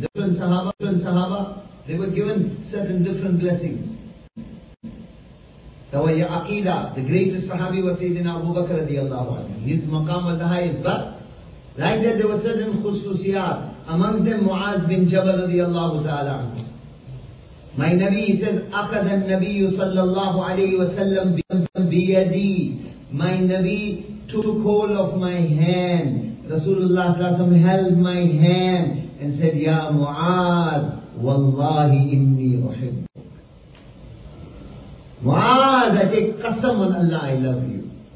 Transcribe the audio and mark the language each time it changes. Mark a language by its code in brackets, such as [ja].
[en] Different Sahaba, they were given certain different blessings. Sawaya Aqidah, the greatest Sahabi was Sayyidina Abu Bakr radiallahu anhu. His maqam was the highest, but like that there were certain khususiyat. Amongst them, Mu'az bin Jabal radiallahu ta'ala anhu. My Nabi, he says, [ar] أَخَذَ النَّبِيُّ صَلَّى اللَّهُ عَلَيْهِ وَسَلَّمْ بِيَدِي. [en] My Nabi took hold of my hand. Rasulullah s.a.w. held my hand and said, [ar] يَا مُعَاذ وَاللَّهِ إِنِّي أُحِبُّكَ. [en] Mu'az, I take qasam on Allah, I love you.